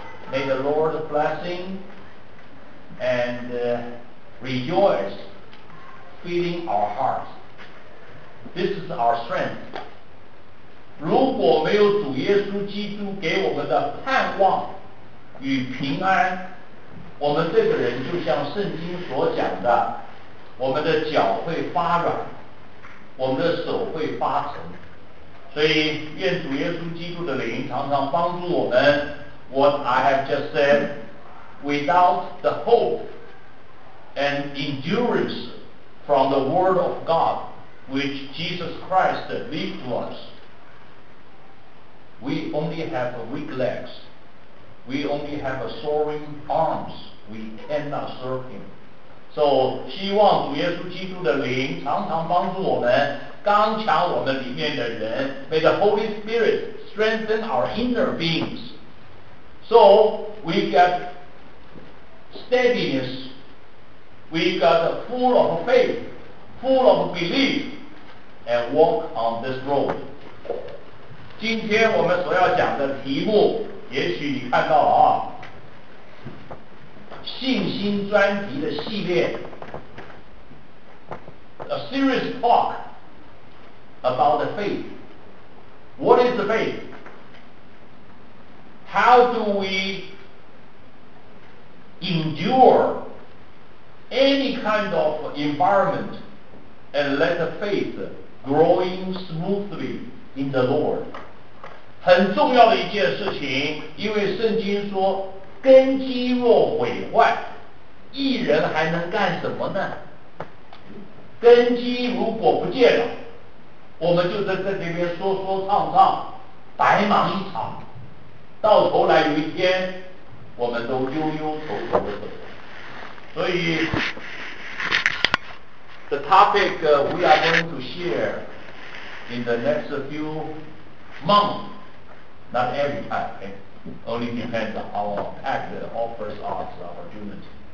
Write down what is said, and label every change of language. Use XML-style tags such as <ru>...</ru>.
<en>May the Lord blessing and rejoice feeding our hearts. This is our strength.</en> <zh>如果没有主耶稣基督给我们的盼望与平安，我们这个人就像圣经所讲的，我们的脚会发软，我们的手会发沉。所以愿主耶稣基督的灵常常帮助我们。</zh> <en>What I have just said, without the hope and endurance from the word of God which Jesus Christ lived to us, we only have weak legs, we only have soaring arms, we cannot serve him.</en> <zh>So, 希望主耶稣基督的灵常常帮助我们，刚强我们里面的人。</zh> <en>May the Holy Spirit strengthen our inner beings, so we get steadiness, we got full of faith, full of belief, and walk on this road.</en> <zh>今天我们所要讲的题目，也许你看到了啊，信心专题的系列 ，</zh> <en>A serious talk about the faith. What is the faith? How do we endure any kind of environment and let the faith growing smoothly in the Lord?</en> <zh>很重要的一件事情，因为圣经说根基若毁坏，一人还能干什么呢？根基如果不见了，我们就在这里面说说唱唱，白忙一场，到头来有一天我们都悠悠愁愁的走。</zh> <en>所以 the topic we are going to share in the next few months, not every time, okay? Only depends on how our pact offers us the opportunity.</en>